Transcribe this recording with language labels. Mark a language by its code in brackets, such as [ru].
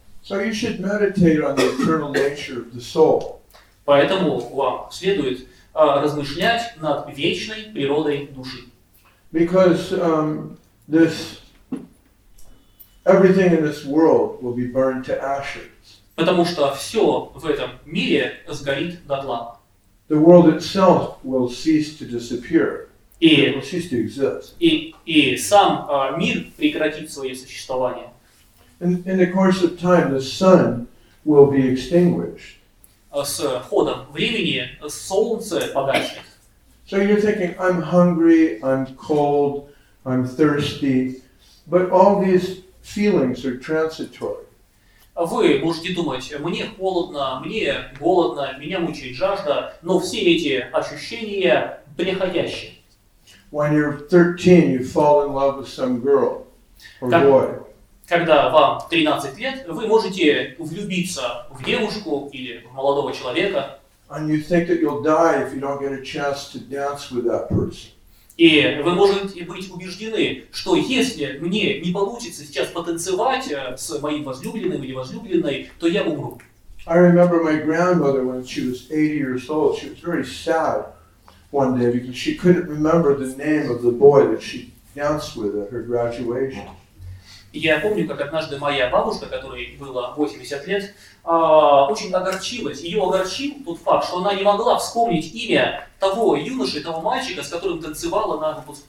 [en] So you should meditate on the eternal nature of the soul. [ru] Поэтому вам следует размышлять над вечной природой души. [en] Because this everything in this world will be burned to ashes. [ru] Потому что все в этом мире сгорит дотла. [en] The world itself will cease to disappear. It will cease to exist. [ru] И сам мир прекратит свое существование. [en] In the course of time, the sun will be extinguished. [ru] С ходом времени солнце погаснет. [en] So you're thinking, I'm hungry, I'm cold, I'm thirsty, but all these feelings are transitory. [ru] Вы можете думать, мне холодно, мне голодно, меня мучает жажда, но все эти ощущения приходящие. [en] When you're 13, you fall in love with some girl or boy. [ru] Когда вам 13 лет, вы можете влюбиться в девушку или в молодого человека. [en] And you think that you'll die if you don't get a chance to dance with that person. [ru] И вы можете быть убеждены, что если мне не получится сейчас потанцевать с моим возлюбленным или возлюбленной, то я умру. [en] I remember my grandmother when she was 80 years old. She was very sad one day because she couldn't remember the name of the boy that she danced with at her graduation. [ru] Я помню, как однажды моя бабушка, которой было 80 лет, очень огорчилась. Ее огорчил тот факт, что она не могла вспомнить имя того юноши, того мальчика, с которым танцевала на